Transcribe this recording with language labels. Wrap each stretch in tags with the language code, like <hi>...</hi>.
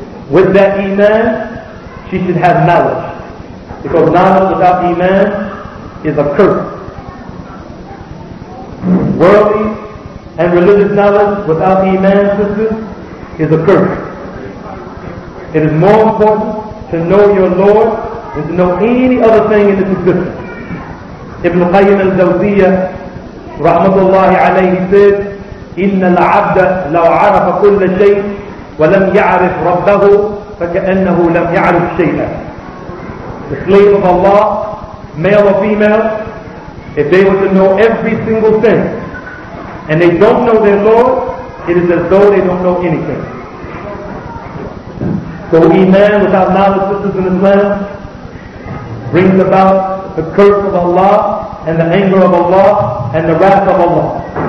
<en>With that Iman, she should have knowledge. Because knowledge without Iman is a curse. Worldly and religious knowledge without Iman, sisters, is a curse. It is more important to know your Lord than to know any other thing in this existence. Ibn Qayyim al-Jawziyyah, rahmatullahi alayhi, said,</en> <ar>إِنَّ الْعَبْدَ لَوْ عَرَفَ كُلَّ شَيْءٍ وَلَمْ يَعْرِفْ رَبَّهُ فَكَأَنَّهُ لَمْ يَعْرِفْ شَيْئًا.</ar> <en>The slave of Allah, male or female, if they were to know every single thing, and they don't know their Lord, it is as though they don't know anything. So Iman without knowledge, sisters in Islam, brings about the curse of Allah and the anger of Allah and the wrath of Allah.</en>